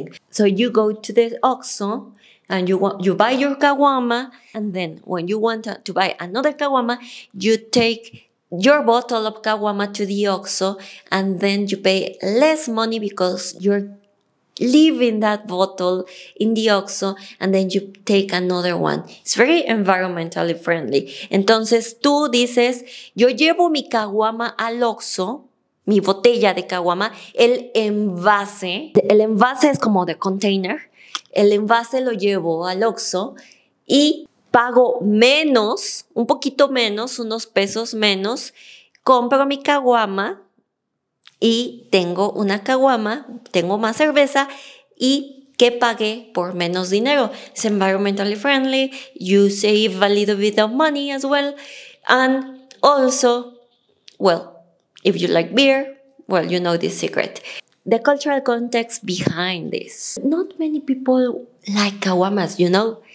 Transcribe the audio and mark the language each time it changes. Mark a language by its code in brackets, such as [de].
[en] So you go to the OXXO. And you buy your caguama, and then when you want to buy another caguama, you take your bottle of caguama to the OXXO, and then you pay less money because you're leaving that bottle in the OXXO, and then you take another one. It's very environmentally friendly. [es] Entonces tú dices, yo llevo mi caguama al OXXO. Mi botella de caguama, el envase es como [en] the container, [es] el envase lo llevo al OXXO y pago menos, un poquito menos, unos pesos menos, compro mi caguama y tengo una caguama, tengo más cerveza y que pagué por menos dinero. [en] It's environmentally friendly, you save a little bit of money as well, and also, well, if you like beer, well, you know this secret. The cultural context behind this. Not many people like caguamas, you know?